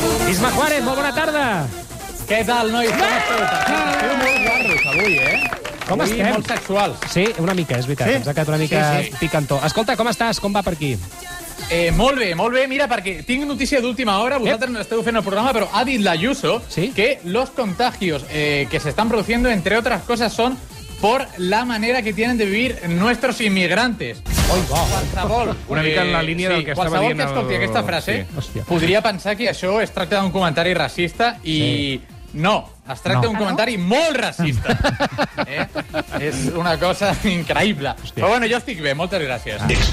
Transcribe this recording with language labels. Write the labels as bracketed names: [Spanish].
[Catalan] Isma Juárez, molt bona tarda. Què tal, nois? Com esteu? Estiu molt guarros avui, eh? Com avui estem? Molt sexuals. Sí, una mica, és veritat. Sí? Ens ha quedat una mica picantó. Escolta, com estàs? Com va per aquí? Molt bé, molt bé. Mira, perquè tinc notícia d'última hora. Vosaltres no esteu fent el programa, però ha dit l'Ayuso [Spanish] que los contagios que se están produciendo, entre otras cosas, son por la manera que tienen de vivir nuestros inmigrantes. [Catalan] Oi, va. Qualsevol. Una mica en la línia del que estava dient. Qualsevol que escolti aquesta frase podria pensar que això es tracta d'un comentari racista i no, es tracta d'un comentari molt racista. És una cosa increïble. Hòstia. Però bueno, jo estic bé, moltes gràcies.